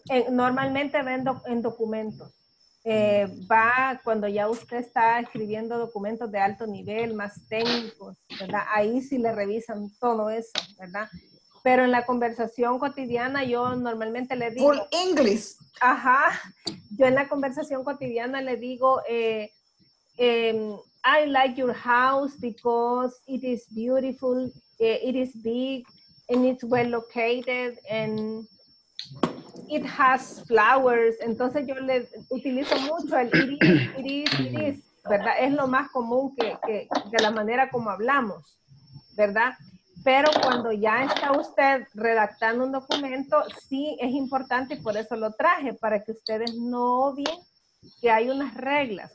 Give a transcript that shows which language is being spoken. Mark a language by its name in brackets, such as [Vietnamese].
[Spanish] Normalmente va en documentos. Va cuando ya usted está escribiendo documentos de alto nivel, más técnicos, ¿verdad? Ahí sí le revisan todo eso, ¿verdad? Pero en la conversación cotidiana yo normalmente le digo... [English] Full English. Ajá. [Spanish] Yo en la conversación cotidiana le digo, [English] I like your house because it is beautiful, it is big, and it's well located, and... It has flowers. [Spanish] Entonces yo le utilizo mucho el [English] it is, [Spanish] ¿verdad? Es lo más común que de la manera como hablamos, ¿verdad? Pero cuando ya está usted redactando un documento, sí es importante y por eso lo traje, para que ustedes no obvien que hay unas reglas.